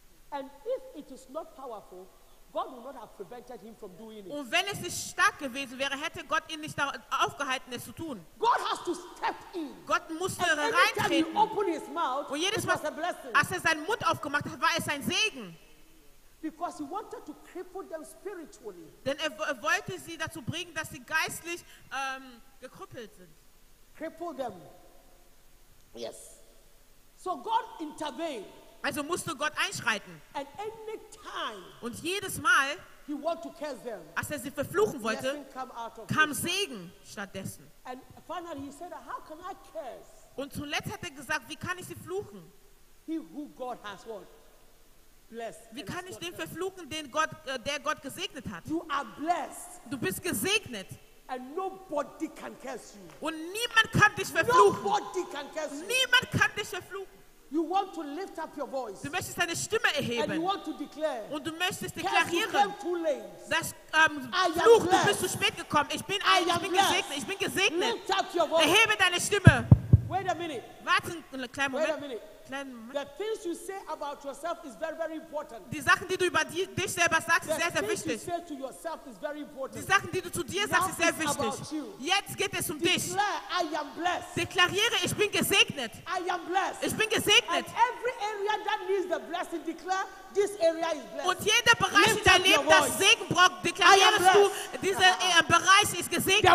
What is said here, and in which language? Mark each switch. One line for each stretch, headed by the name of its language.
English: And if it is not powerful, God would not have prevented him from doing it.
German: Und wenn es nicht stark gewesen wäre, hätte Gott ihn nicht aufgehalten, es zu tun.
English: God has to step in.
German: Gott musste reintreten.
English: Open his mouth,
German: und jedes Mal, als er seinen Mund aufgemacht hat, war es ein Segen.
English: Because he wanted to cripple them spiritually.
German: Denn er wollte sie dazu bringen, dass sie geistlich gekrüppelt sind.
English: Cripple them. Yes. So God intervened.
German: Also musste Gott einschreiten.
English: And any time,
German: und jedes Mal,
English: he want to curse them,
German: als er sie verfluchen wollte, kam Segen stattdessen.
English: And finally he said, how can I curse?
German: Und zuletzt hat er gesagt, wie kann ich sie fluchen?
English: He who God has what? Blessed.
German: Wie kann ich den verfluchen, den Gott, der Gott gesegnet hat?
English: You are blessed.
German: Du bist gesegnet.
English: And nobody can curse you.
German: Und niemand kann dich verfluchen.
English: Nobody can curse you.
German: Niemand kann dich verfluchen.
English: You want to lift up your voice.
German: Du möchtest deine Stimme erheben.
English: And you want to declare.
German: Und du möchtest deklarieren.
English: Came too late.
German: Das Fluch, du bist zu spät gekommen. Ich bin gesegnet.
English: Lift up your voice.
German: Erhebe deine Stimme.
English: Wait a minute.
German: Warte einen kleinen Moment.
English: Wait a minute. The things you say about yourself is very, very important.
German: Die Sachen, die du über dich selber sagst, ist sehr, sehr wichtig.
English: The things you say to yourself is very important.
German: Die Sachen, die du zu dir sagst, ist sehr wichtig. Jetzt geht es um dich.
English: Declare, I am blessed.
German: Deklariere, ich bin gesegnet.
English: I am blessed.
German: Ich bin gesegnet.
English: And every area that needs the blessing, declare, this area is blessed.
German: Und jeder Bereich in deinem Leben, das Segen braucht, deklarierst du, dieser Bereich ist gesegnet.